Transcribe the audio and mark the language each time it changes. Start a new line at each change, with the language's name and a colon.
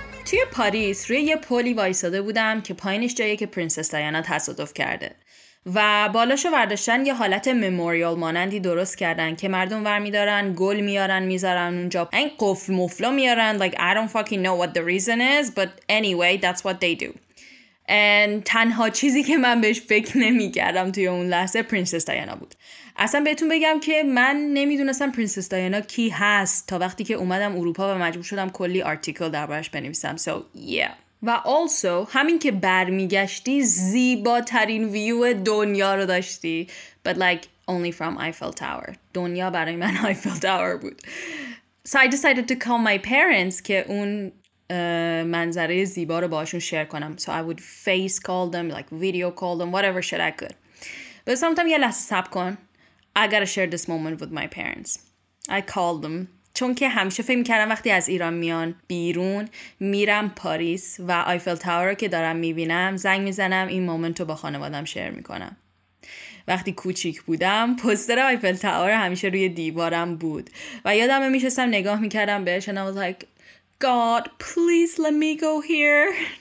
Persian: توی پاریس روی یه پلی وایساده بودم که پایینش جایی که پرنسس دیانا تصادف کرده و بالاشو برداشتن یه حالت مموریال مانندی درست کردن که مردم ور میدارن، گل میارن، میذارن اونجا، این قفل مفلا میارن.
English: Like I don't fucking know what the reason is, but anyway, that's what they do.
Persian: And تنها چیزی که من بهش فکر نمیکردم توی اون لحظه پرنسس دیانا بود. اصلا بهتون بگم که من نمیدونستم پرنسس دیانا کی هست تا وقتی که اومدم اروپا و مجبور شدم کلی آرتیکل دربارش بنویسم.
English: So yeah.
Persian: و also همین که برمیگشتی زیباترین ویو دنیا رو داشتی.
English: But like only from Eiffel Tower.
Persian: دنیا برای من Eiffel Tower بود.
English: So I decided to call my parents
Persian: که اون منظره زیبا رو باشون شیر کنم.
English: So I would face call them, like video call them, whatever shit I could. But sometimes
Persian: یه لحظه سب کن.
English: I gotta share this moment with my parents. I called them.
Persian: چون که همیشه فکر میکردم وقتی از ایران میان بیرون میرم پاریس و آیفل تاور رو که دارم میبینم زنگ میزنم این مومنت رو با خانوادم شیر میکنم. وقتی کوچیک بودم پوستر آیفل تاور همیشه روی دیوارم بود و یادم میشستم نگاه میکردم بهش
English: and I was like God please let me go here.